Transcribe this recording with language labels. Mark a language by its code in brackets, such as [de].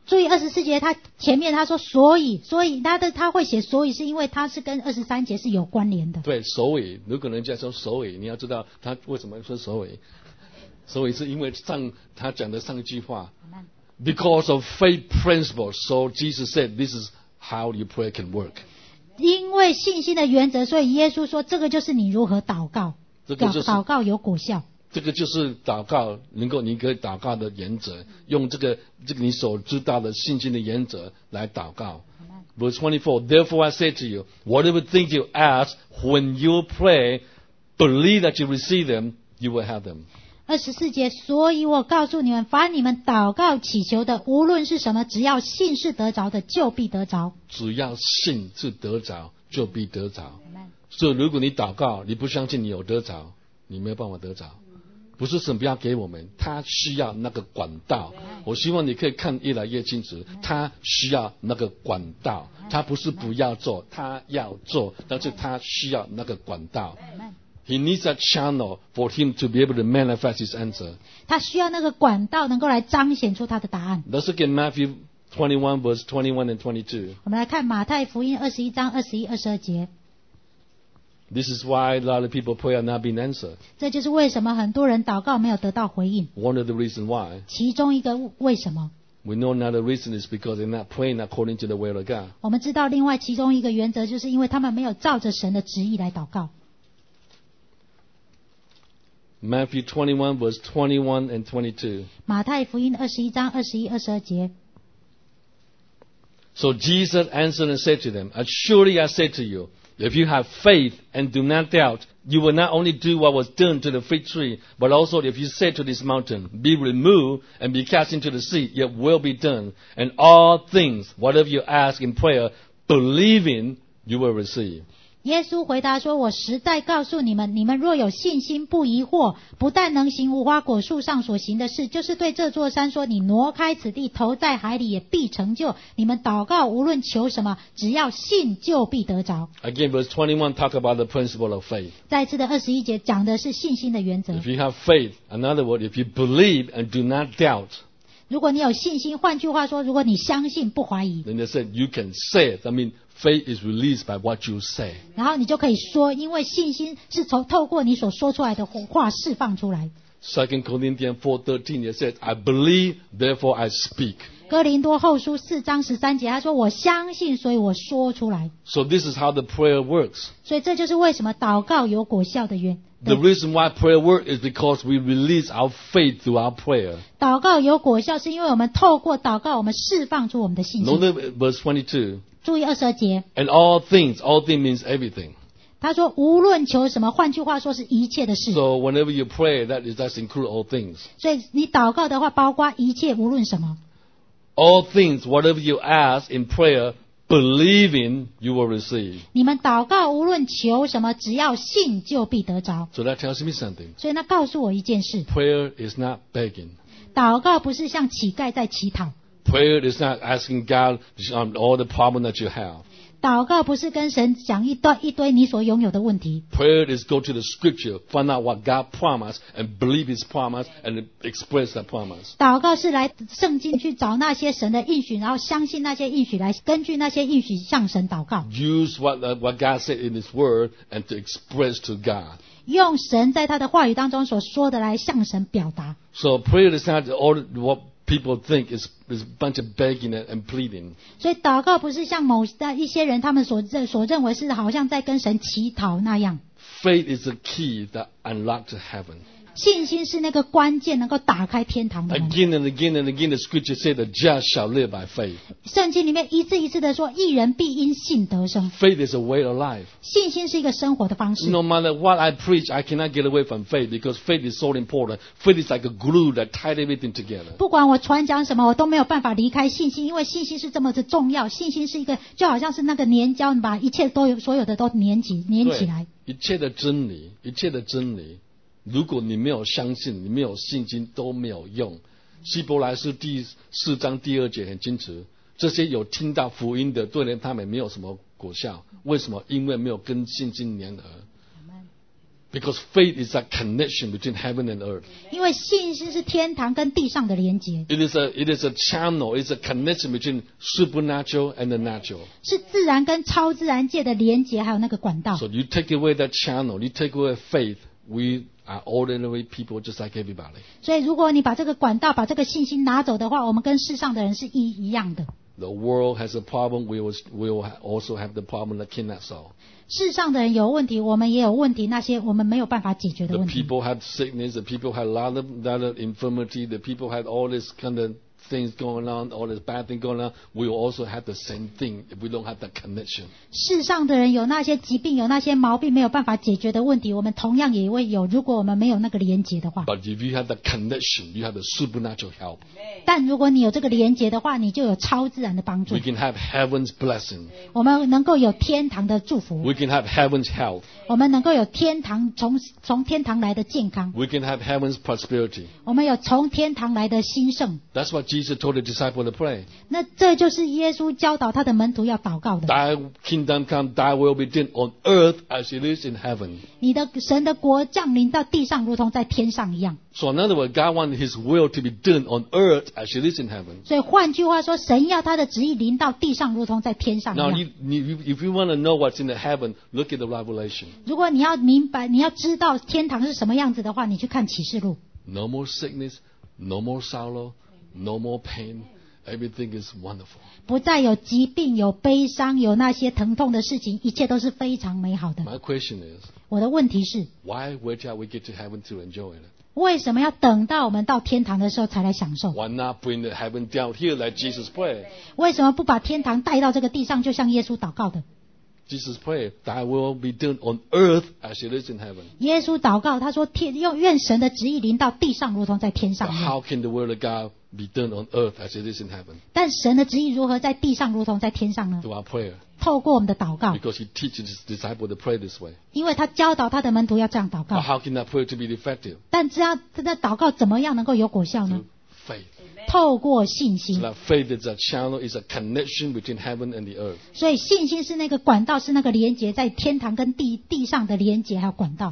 [zh] 注意24节，他前面他说所以他会写所以，是因为他是跟23节是有关联的。对，所以如果人家说所以，你要知道他为什么说所以。所以是因为他讲的上一句话。 [en] Because of faith principle, so Jesus said this is how your prayer can work. [zh] 因为信心的原则，所以耶稣说，这个就是你如何祷告，这个就是，祷告有果效。这个就是祷告，能够你可以祷告的原则，用这个你所知道的信心的原则来祷告。 [en] Verse 24, therefore I say to you, whatever things you ask, when you pray, believe that you receive them, you will have them. [zh] 24节，所以我告诉你们，凡你们祷告祈求的，无论是什么，只要信是得着的，就必得着。只要信是得着，就必得着。所以如果你祷告，你不相信你有得着，你没有办法得着。不是神不要给我们，他需要那个管道。我希望你可以看越来越清楚，他需要那个管道，他不是不要做，他要做，但是他需要那个管道。 [en] He needs a channel for him to be able to manifest his answer. [zh] 他需要那个管道能够来彰显出他的答案。 [en] Let's look at Matthew 21, verse 21 and 22. [zh] 我们来看马太福音21章21、22节。 [en] This is why a lot of people pray are not being answered. [zh] 这就是为什么很多人祷告没有得到回应。 [en] One of the reasons why. [zh] 其中一个为什么。 [en] We know another reason is because they're not praying according to the will of God. [zh] 我们知道另外其中一个原则就是因为他们没有照着神的旨意来祷告。 [en] Matthew 21, verse 21 and 22. [zh] 马太福音21章21、22节。 [en] So Jesus answered and said to them, Assuredly I say to you, if you have faith and do not doubt, you will not only do what was done to the fig tree, but also if you say to this mountain, Be removed and be cast into the sea, it will be done. And all things, whatever you ask in prayer, believing, you will receive. [zh] 耶稣回答说，我实在告诉你们，你们若有信心不疑惑，不但能行无花果树上所行的事，就是对这座山说，你挪开此地，投在海里也必成就。你们祷告无论求什么，只要信就必得着。 [en] Again verse 21 talk about the principle of faith. [zh] 再次的21节讲的是信心的原则。 [en] If you have faith, in other words, if you believe and do not doubt, [zh] 如果你有信心，换句话说，如果你相信不怀疑， [en] Then they said you can say it, I meanFaith is released by what you say. [zh] 然后你就可以说，因为信心是从透过你所说出来的话释放出来。 [en] Second Corinthians 4:13 it says, "I believe, therefore I speak." [zh] 哥林多后书四章十三节，他说：“我相信，所以我说出来。” [en] So this is how the prayer works. [zh] 所以这就是为什么祷告有果效的原因。 [en] The reason why prayer works is because we release our faith through our prayer. [zh] 祷告有果效是因为我们透过祷告，我们释放出我们的信心。 [en] Note verse 22. [zh] 注意二十二节。 [en] And all things means everything. [zh] 他说无论求什么，换句话说是一切的事。 [en] So whenever you pray, that is that includes all things. [zh] 所以你祷告的话，包括一切，无论什么。 [en] All things, whatever you ask in prayer, believing you will receive. [zh] 你们祷告无论求什么，只要信就必得着。 [en] So that tells me something. [zh] 所以那告诉我一件事。 [en] Prayer is not begging. [zh] 祷告不是像乞丐在乞讨。 [en] Prayer is not asking God all the problems that you have. [zh] 祷告不是跟神讲一堆你所拥有的问题。 [en] Prayer is go to the scripture, find out what God promised, and believe His promise, and express that promise. [zh] 祷告是来圣经去找那些神的应许，然后相信那些应许，来根据那些应许向神祷告。 [en] Use what God said in His word, and to express to God. [zh] 用神在他的话语当中所说的来向神表达。 [en] So prayer is not all what people think is a bunch of begging and pleading. [zh] 所以祷告不是像某一些人他们所认为是好像在跟神乞讨那样。 [en] Faith is a key that unlocks heaven. [zh] 信心是那个关键，能够打开天堂的门。 [en] Again and again and again, the scripture said, "The just shall live by faith." [zh] 圣经里面一次一次的说，义人必因信得生。 [en] Faith is a way of life. [zh] 信心是一个生活的方式。 [en] No matter what I preach, I cannot get away from faith because faith is so important. Faith is like a glue that ties everything together. [zh] 不管我传讲什么，我都没有办法离开信心，因为信心是这么的重要。信心是一个，就好像是那个粘胶，你把一切都有所有的都粘起来。一切的真理，一切的真理。如果你没有相信，你没有信心都没有用。希伯来书第四章第二节很清楚，这些有听到福音的，对他们没有什么果效。为什么？因为没有跟信心联合。 [en] Because faith is a connection between heaven and earth. [zh] 因为信心是天堂跟地上的连接。 [en] It is a channel. It's a connection between supernatural and the natural. [zh] 是自然跟超自然界的连接，还有那个管道。 [en] So you take away that channel, you take away faith, we. Are ordinary people just like everybody. [zh] 所以如果你把这个管道把这个信心拿走的话，我们跟世上的人是一样的。 [en] The world has a problem, we will also have the problem that cannot solve. [zh] 世上的人有问题，我们也有问题，那些我们没有办法解决的问题。 [en] The people have sickness, the people have a lot of infirmity, the people have all this kind of things going on, all this bad thing going on, we will also have the same thing if we don't have that connection. [zh] 世上的人有那些疾病，有那些毛病没有办法解决的问题，我们同样也会有，如果我们没有那个连结的话。 [en] But if you have the connection, you have the supernatural help. [zh] 但如果你有这个连结的话，你就有超自然的帮助。 [en] We can have heaven's blessing. [zh] 我们能够有天堂的祝福。 [en] We can have heaven's health. [zh] 我们能够有天堂，从天堂来的健康。 [en] We can have heaven's prosperity. [zh] 我们有从天堂来的兴盛。 [en] That's whatJesus told the disciples to pray. [zh] 那这就是耶稣教导他的门徒要祷告的。 [en] Thy kingdom come, thy will be done on earth as it is in heaven. [zh] 你的神的国降临到地上，如同在天上一样。 [en] So in other words, God wants His will to be done on earth as it is in heaven. [zh] 所以换句话说，神要他的旨意临到地上，如同在天上一样。 [en] Now, if you want to know what's in the heaven, look at the Revelation. [zh] 如果你要明白，你要知道天堂是什么样子的话，你去看启示录。 [en] No more sickness, no more sorrow. No more pain. Everything is wonderful. [zh] 不再有疾病，有悲伤，有那些疼痛的事情，一切都是非常美好的。 [en] My question is, [zh] 我的问题是 [en] why wait till we get to heaven to enjoy it? [zh] 为什么要等到我们到天堂的时候才来享受？ [en] Why not bring the heaven down here like Jesus prayed? [zh] 为什么不把天堂带到这个地上，就像耶稣祷告的？ [en] Jesus prayed, "Thy will be done on earth as it is in heaven." [zh] 耶稣祷告，他说天要愿神的旨意临到地上，如同在天上。 [en] How can the will of God? Be done on earth as it is in heaven. [zh] 但神的旨意如何在地上如同在天上呢？ [en] Through our prayer. [zh] 透过我们的祷告。 [en] Because he teaches his disciples to pray this way. [zh] 因为他教导他的门徒要这样祷告。 [en] But how can that prayer to be effective? [zh] 但这样的祷告怎么样能够有果效呢？ [en] Through faith. [zh] 透过信心。 [en] So that faith is a channel, is a connection between heaven and the earth. [zh] 所以信心是那个管道，是那个连结在天堂跟地上的连结还有管道。